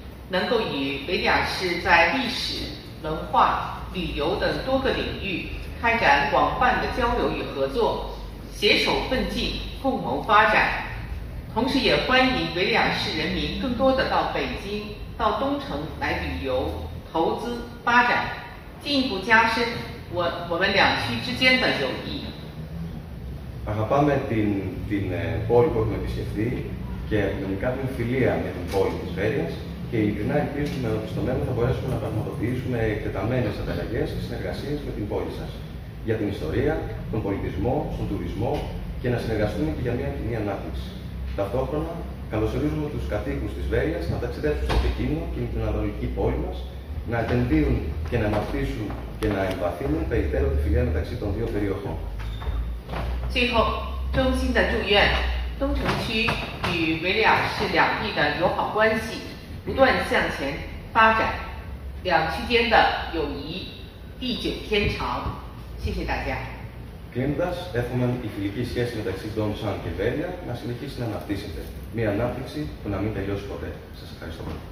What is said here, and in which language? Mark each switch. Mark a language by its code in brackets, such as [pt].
[zh] 能够与维雅市在历史、文化、旅游等多个领域开展广泛的交流与合作，携手奋进，共谋发展。同时也欢迎维雅市人民更多的到北京、到东城来旅游、投资、发展，进一步加深我们两区之间的友谊。 [el] Αγαπάμε την πόλη που έχουμε επισκεφθεί και γενικά την φιλία με την πόλη της Βέρειας και ειλικρινά ελπίζουμε ότι στο μέλλον θα μπορέσουμε να πραγματοποιήσουμε εκτεταμένες ανταλλαγές και συνεργασίες με την πόλη σας για την ιστορία, τον πολιτισμό, τον τουρισμό και να συνεργαστούμε και για μια κοινή ανάπτυξη. Ταυτόχρονα, καλωσορίζουμε τους κατοίκους της Βέρειας να ταξιδέψουν στο Πεκίνο και την ανατολική πόλη μας, να επενδύουν και να αναπτύσσουν και να εμβαθύνουν περαιτέρω τη φιλία μεταξύ των δύο περιοχών. [zh] 最后，衷心的祝愿东城区与维利亚市两地的友好关系不断向前发展，两区间的友谊地久天长。谢谢大家。 [el] Κλείνοντας, εύχομαι η φιλική σχέση μεταξύ των Σαν και Βέρεια να συνεχίσει να αναπτύσσεται. Μια ανάπτυξη που να μην τελειώσει ποτέ. Σας ευχαριστώ.